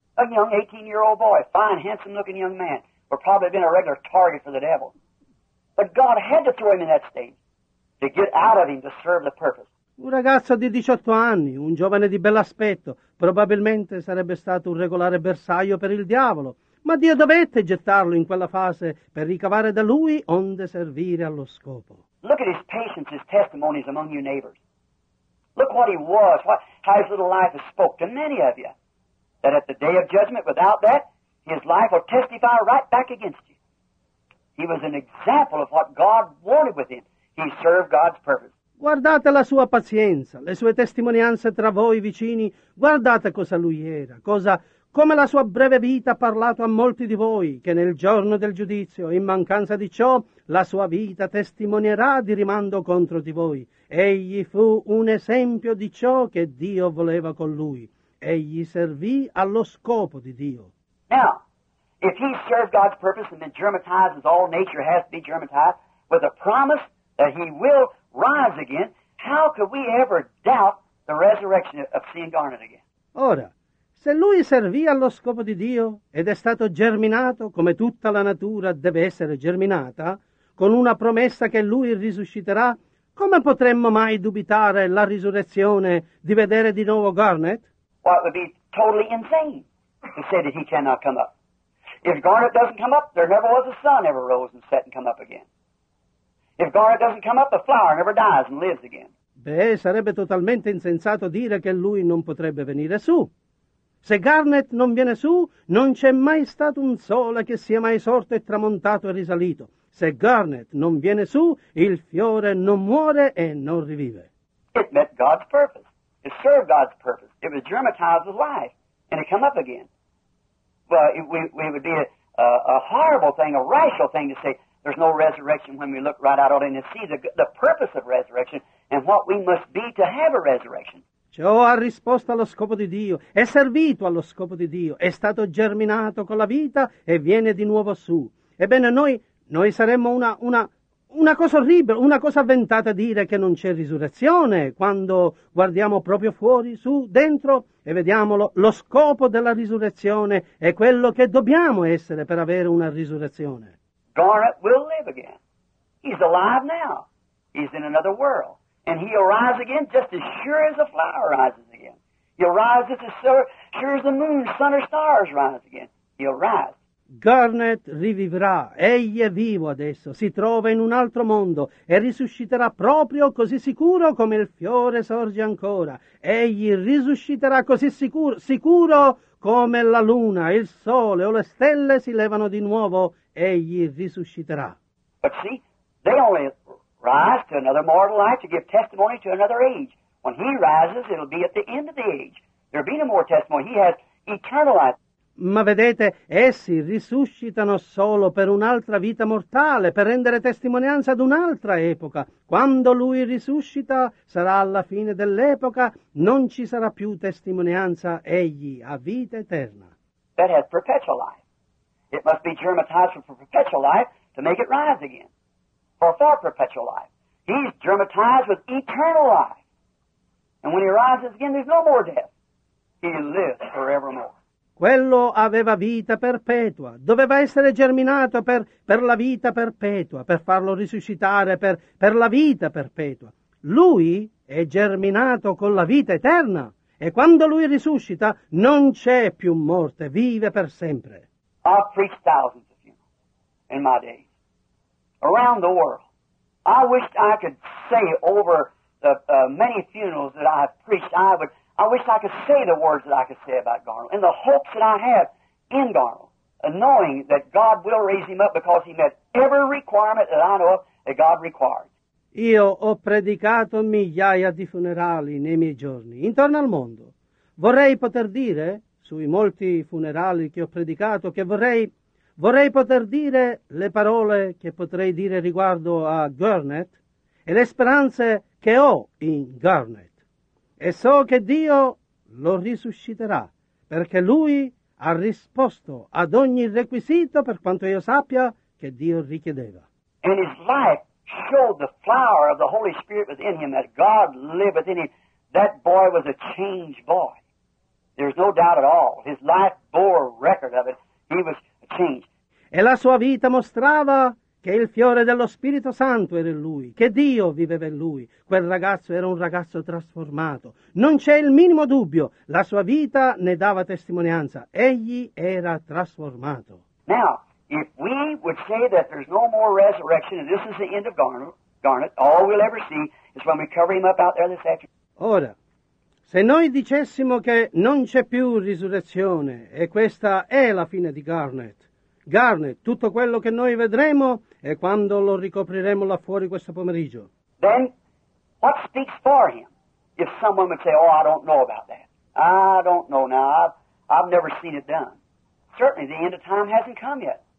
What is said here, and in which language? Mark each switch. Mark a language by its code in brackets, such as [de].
[en] A young 18-year-old boy, fine, handsome-looking young man, would probably have been a regular target for the devil. But God had to throw him in that state to get out of him to serve the purpose. [it] Un ragazzo di 18 anni, un giovane di bell'aspetto, probabilmente sarebbe stato un regolare bersaglio per il diavolo, ma Dio dovette gettarlo in quella fase per ricavare da lui onde servire allo scopo. [en] Look at his patience, his testimonies among you neighbors. Look what he was, how his little life has spoke to many of you, that at the day of judgment, without that, his life will testify right back against you. He was an example of what God wanted with him. He served God's purpose. [it] Guardate la sua pazienza, le sue testimonianze tra voi vicini, guardate cosa lui era, come la sua breve vita ha parlato a molti di voi, che nel giorno del giudizio, in mancanza di ciò, la sua vita testimonierà di rimando contro di voi. Egli fu un esempio di ciò che Dio voleva con lui. Egli servì allo scopo di Dio. [en] Now, if he served God's purpose and then germatizes all nature has to be germatized with a promise that he will rise again, how could we ever doubt the resurrection of C. Garnet again? [it] Ora, se lui servì allo scopo di Dio ed è stato germinato come tutta la natura deve essere germinata, con una promessa che lui risusciterà, come potremmo mai dubitare la risurrezione di vedere di nuovo Garnet? [en] Well, it would be totally insane to say that he cannot come up. If Garnet doesn't come up, there never was a sun ever rose and set and come up again. If Garnet doesn't come up, the flower never dies and lives again. [it] Beh, sarebbe totalmente insensato dire che lui non potrebbe venire su. Se Garnet non viene su, non c'è mai stato un sole che sia mai sorto e tramontato e risalito. Se Garnet non viene su, il fiore non muore e non rivive. [en] It met God's purpose. It served God's purpose. It was germatized with life, and it come up again. But it would be a horrible thing, a racial thing to say, there's no resurrection when we look right out on it and see the purpose of resurrection and what we must be to have a resurrection. [it] Ciò ha risposto allo scopo di Dio, è servito allo scopo di Dio, è stato germinato con la vita e viene di nuovo su. Ebbene, noi saremmo una cosa orribile, una cosa avventata a dire che non c'è risurrezione quando guardiamo proprio fuori, su, dentro e vediamolo. Lo scopo della risurrezione è quello che dobbiamo essere per avere una risurrezione. [en] Garnet will live again. He's alive now. He's in another world. And he'll rise again just as sure as a flower rises again. He'll rise just as sure as the moon, sun, or stars rise again. He'll rise. [it] Garnet rivivrà. Egli è vivo adesso. Si trova in un altro mondo e risusciterà proprio così sicuro come il fiore sorge ancora. Egli risusciterà così sicuro come la luna, il sole o le stelle si levano di nuovo. Egli risusciterà. [en] But see, they only rise to another mortal life to give testimony to another age. When he rises, it'll be at the end of the age. There'll be no more testimony. He has eternal life. [it] Ma vedete, essi risuscitano solo per un'altra vita mortale, per rendere testimonianza ad un'altra epoca. Quando lui risuscita, sarà alla fine dell'epoca, non ci sarà più testimonianza, egli ha vita eterna. [en] That has perpetual life. It must be germatized for perpetual life to make it rise again. For perpetual life. He's germatized with eternal life. And when he rises again, there's no more death. He lives forevermore. [it] Quello aveva vita perpetua, doveva essere germinato per la vita perpetua, per farlo risuscitare per la vita perpetua. Lui è germinato con la vita eterna e quando lui risuscita non c'è più morte, vive per sempre. [en] I've preached thousands of funerals in my days, around the world. I wish I could say over the many funerals that I've preached, I wish I could say the words that I could say about Garnet and the hopes that I have in Garnet knowing that God will raise him up because he met every requirement that I know of that God required. [it] Io ho predicato migliaia di funerali nei miei giorni, intorno al mondo. Vorrei poter dire, sui molti funerali che ho predicato, che vorrei poter dire le parole che potrei dire riguardo a Garnet e le speranze che ho in Garnet. E so che Dio lo risusciterà, perché lui ha risposto ad ogni requisito, per quanto io sappia, che Dio richiedeva. [en] And his life showed the flower of the Holy Spirit within him, that God liveth in him. That boy was a changed boy. There's no doubt at all. His life bore record of it. He was changed. [it] E la sua vita mostrava che il fiore dello Spirito Santo era in lui, che Dio viveva in lui. Quel ragazzo era un ragazzo trasformato. Non c'è il minimo dubbio. La sua vita ne dava testimonianza. Egli era trasformato. [en] Now, if we would say that there's no more resurrection and this is the end of Garnet, all we'll ever see is when we cover him up out there this afternoon. [it] Ora, se noi dicessimo che non c'è più risurrezione e questa è la fine di Garnet, Garnet, tutto quello che noi vedremo è quando lo ricopriremo là fuori questo pomeriggio. [en] Then, what speaks for him if someone would say, oh, I don't know about that. I don't know now. I've never seen it done. Certainly, the end of time hasn't come yet.